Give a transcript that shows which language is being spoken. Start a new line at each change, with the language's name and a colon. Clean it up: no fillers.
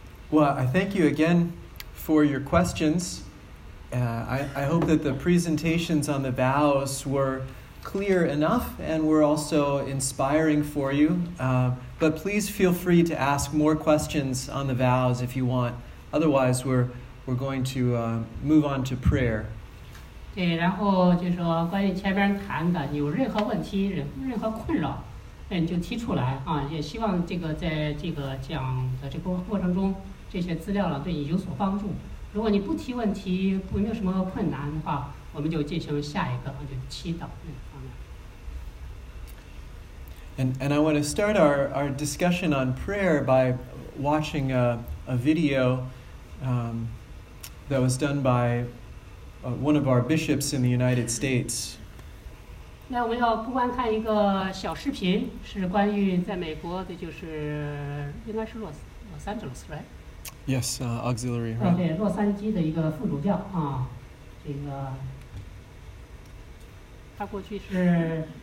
English: Well, I thank you again for your questions. I hope that the presentations on the vows were clear enough and were also inspiring for you. But please feel free to ask more questions on the vows if you want. Otherwise, we're going to move on to prayer.
Chinese: 对，然后就是说关于前面谈的，有任何问题、任何困扰，你就提出来啊。也希望这个在这个讲的这个过程中，这些资料呢对你有所帮助。如果你不提问题，不没有什么困难的话，我们就进行下一个，就祈祷。
English: And I want to start our discussion on prayer by watching a video that was done by one of our bishops in the United States.
Chinese: 那我们要不观看一个小视频，是关于在美国的，就是应该是Los Angeles,
English: right? Yes, auxiliary.
Chinese: 对，洛杉矶的一个副主教啊，这个他过去是。